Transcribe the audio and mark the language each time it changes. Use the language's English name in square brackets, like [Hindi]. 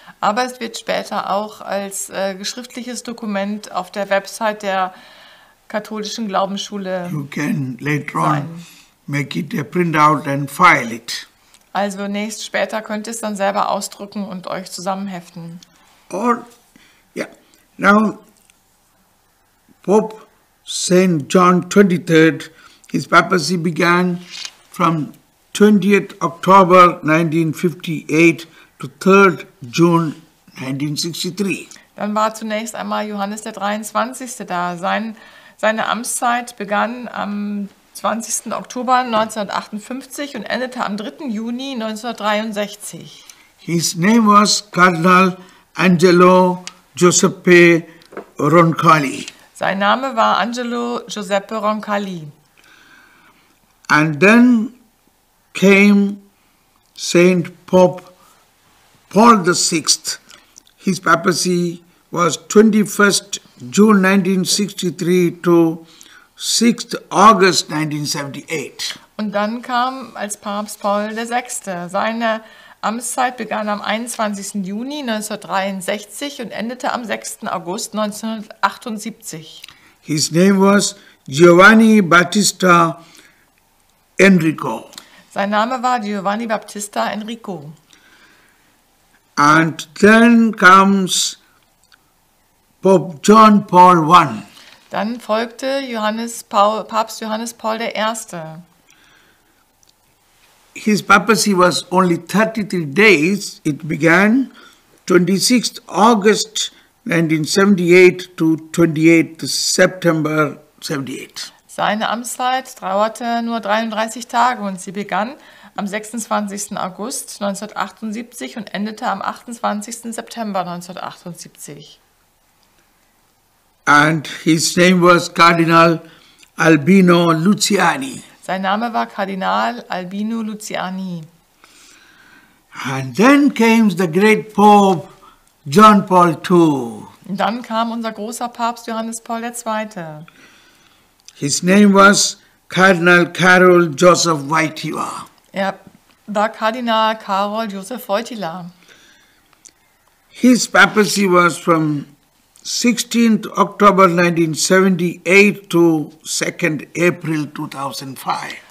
[German] Aber es wird später auch als schriftliches Dokument auf der Website der katholischen Glaubensschule. [English] You can later on make it a printout and file it. [German] Also nächst später könnt ihr es dann selber ausdrucken und euch zusammenheften. [English] Or, yeah. Now, Pope St. John 23rd, his papacy began from 20th October 1958 to 3rd June 1963. [German] Dann war zunächst einmal Johannes der 23. da. Seine Amtszeit begann am 20. Oktober 1958 und endete am 3. Juni 1963. [English] His name was Cardinal Angelo Giuseppe Roncalli. [German] Sein Name war Angelo Giuseppe Roncalli. [English] And then came Saint Pope Paul the 6th. His papacy was 21st June 1963 to 6. August 1978. [German] Und dann kam als Papst Paul der 6. Seine Amtszeit begann am 21. Juni 1963 und endete am 6. August 1978. [English] His name was Giovanni Battista Enrico. [German] Sein Name war Giovanni Battista Enrico. [English] And then comes Pope John Paul I. [German] Dann folgte Papst Johannes Paul I. [English] His papacy was only 33 days. It began 26th August 1978 to 28th September 78. [German] Seine Amtszeit dauerte nur 33 Tage und sie begann am 26. August 1978 und endete am 28. September 1978. [English] And his name was Cardinal Albino Luciani. [German] Sein Name war Kardinal Albino Luciani. [English] And then came the great Pope John Paul II. [German] Und dann kam unser großer Papst Johannes Paul II. [English] His name was Cardinal Karol Joseph Wojtyła. [German] Er war Kardinal Karol Joseph Wojtyła. [English] His papacy was from 16th October 1978 to 2nd April 2005.